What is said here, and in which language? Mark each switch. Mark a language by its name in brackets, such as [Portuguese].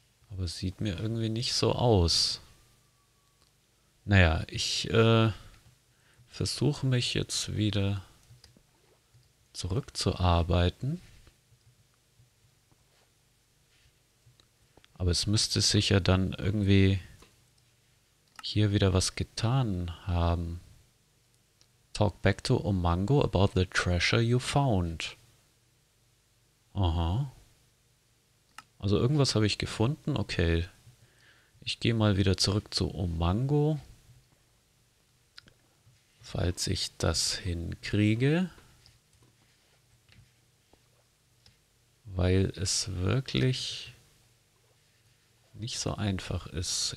[German] Aber sieht mir irgendwie nicht so aus. Naja, ich versuche mich jetzt wieder zurückzuarbeiten. Aber es müsste sich ja dann irgendwie hier wieder was getan haben. [English] Talk back to Omango about the treasure you found. Aha. [German] Also irgendwas habe ich gefunden. Okay. Ich gehe mal wieder zurück zu Omango. Falls ich das hinkriege. Weil es wirklich nicht so einfach ist.